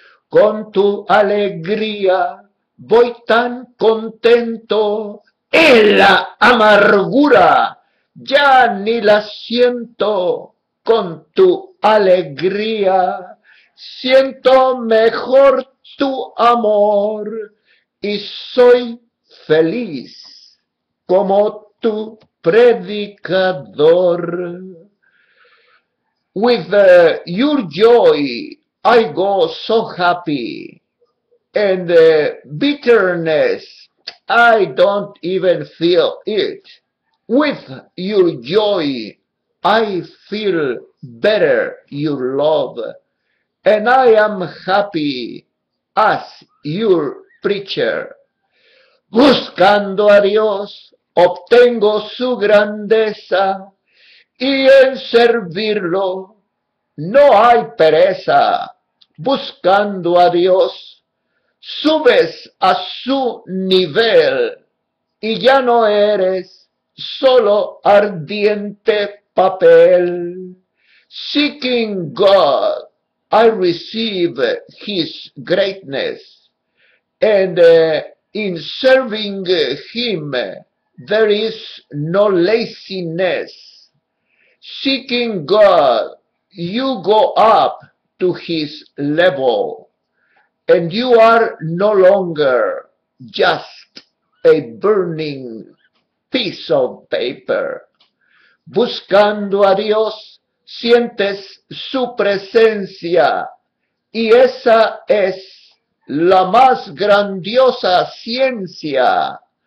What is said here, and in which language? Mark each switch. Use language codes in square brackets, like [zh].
[es] Con tu alegría voy tan contento, en la amargura ya ni la siento. Con tu alegría siento mejor tu amor y soy feliz como tu predicador. [en] With your joy, I go so happy, and bitterness, I don't even feel it. With your joy, I feel better your love, and I am happy as your preacher. [es] Buscando a Dios, obtengo su grandeza, y en servirlo no hay pereza. Buscando a Dios, subes a su nivel, y ya no eres solo ardiente papel. [en] Seeking God, I receive His greatness, and in serving Him, there is no laziness. Seeking God, you go up to His level, and you are no longer just a burning piece of paper. [es] Buscando a Dios, sientes su presencia, y esa es la más grandiosa ciencia.